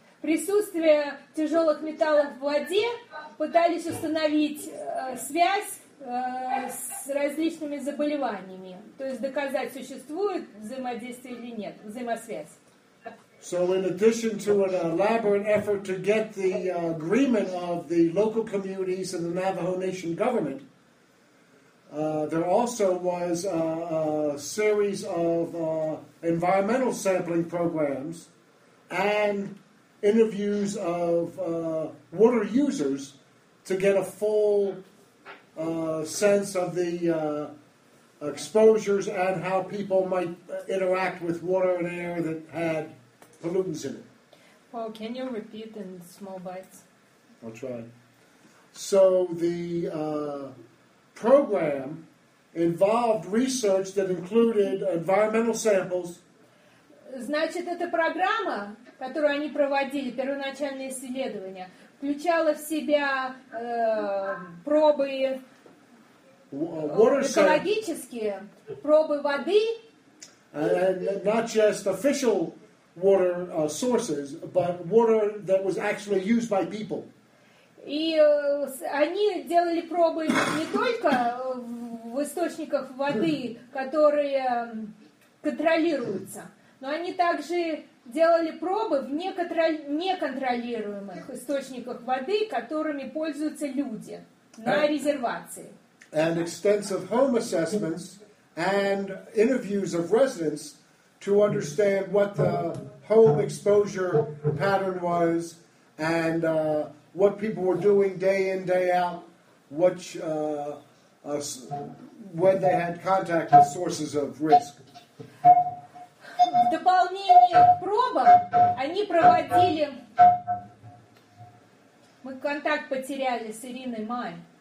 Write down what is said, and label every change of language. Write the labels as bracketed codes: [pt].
[ru] Присутствие тяжелых металлов в воде пытались установить связь с различными заболеваниями, то есть доказать, существует взаимодействие или нет, взаимосвязь. [en] So in addition to an elaborate effort to get the agreement of the local communities and the Navajo Nation government, there also was a series of environmental sampling programs and interviews of water users to get a full sense of the exposures and how people might interact with water and air that had pollutants in it. Paul, can you repeat in small bites? I'll try. So the program involved research that included environmental samples. [ru] Значит, эта программа, которую они проводили, первоначальные исследования, включала в себя пробы экологические, пробы воды. [en] And not just official water sources, but water that was actually used by people. [ru] И они делали пробы не только в источниках воды, которые контролируются, но они также делали пробы в неконтролируемых источниках воды, которыми пользуются люди на резервации. [en] And extensive home assessments and interviews of residents to understand what the home exposure pattern was and what people were doing day in, day out, when they had contact with sources of risk. [ru] В дополнение к пробам они проводили... Мы контакт потеряли с Ириной Май.